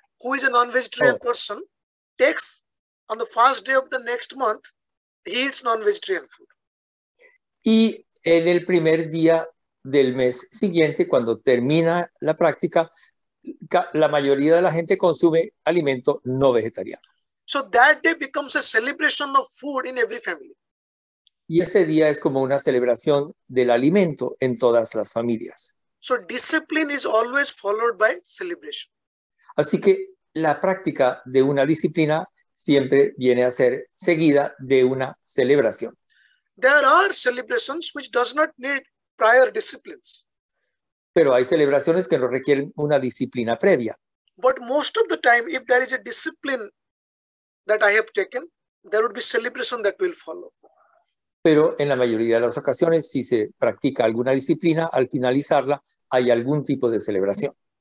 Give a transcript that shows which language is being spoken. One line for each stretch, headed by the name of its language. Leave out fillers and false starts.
English: Who is a non-vegetarian person, takes on the first day of the next month, he eats non-vegetarian food.
Spanish: Y en el primer día del mes siguiente, cuando termina la práctica, la mayoría de la gente consume alimento no vegetariano.
English: So that day becomes a celebration of food in every family.
Spanish: Y ese día es como una celebración del alimento en todas las familias.
English: So discipline is always followed by celebration.
Spanish: Así que la práctica de una disciplina siempre viene a ser seguida de una celebración.
English: There are celebrations which does not need prior disciplines.
Spanish: Pero hay celebraciones que no requieren una disciplina previa.
English: But most of the time, if there is a discipline that I have taken, there would be celebration that will follow.
Spanish: Pero en la mayoría de las ocasiones, si se practica alguna disciplina, al finalizarla, hay algún tipo de celebración.